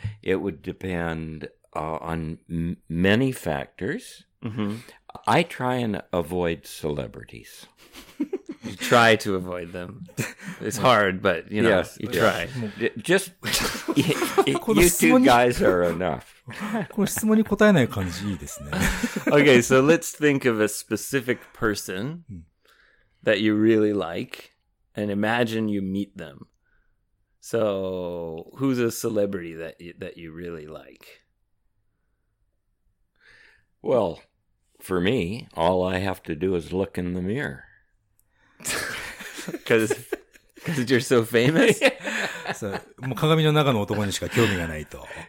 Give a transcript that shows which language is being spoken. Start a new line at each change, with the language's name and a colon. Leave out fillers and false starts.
English: It would depend... on many factors. Mm-hmm. I try and avoid celebrities. You try to avoid them. It's hard, but you know, yes, you try. Yes. Just, you two guys are enough.
Japanese: この質問に答えない感じいいですね。
English: Okay, so let's think of a specific person that you really like and imagine you meet them. So, who's a celebrity that you really like? Well, for me, all I have to do is look in the mirror. Because Because you're so famous?
Japanese: そう、もう鏡の中の男にしか興味がないと。